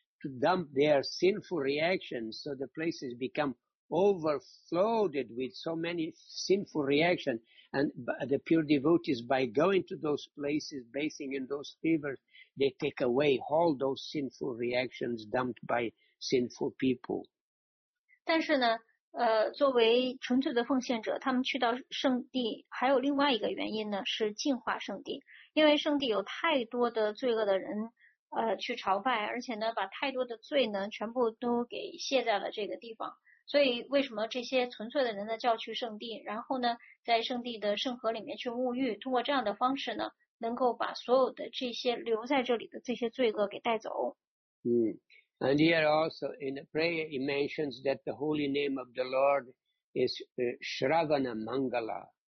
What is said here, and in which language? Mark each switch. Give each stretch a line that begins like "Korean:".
English: To dump their sinful reactions, so the places become overflowed with so many sinful reactions. And the pure devotees, by going to those places, bathing in those rivers, they take away all those sinful reactions dumped by sinful people.
Chinese: 但是呢，作为纯粹的奉献者，他们去到圣地还有另外一个原因呢，是净化圣地。因为圣地有太多的罪恶的人去朝拜，而且呢把太多的罪呢全部都给卸在了这个地方。所以为什么这些纯粹的人呢叫去圣地，然后呢在圣地的圣河里面去沐浴，通过这样的方式呢能够把所有的这些留在这里的这些罪恶给带走。
English: And here also in the prayer he mentions that the holy name of the Lord is Shravana Mangala.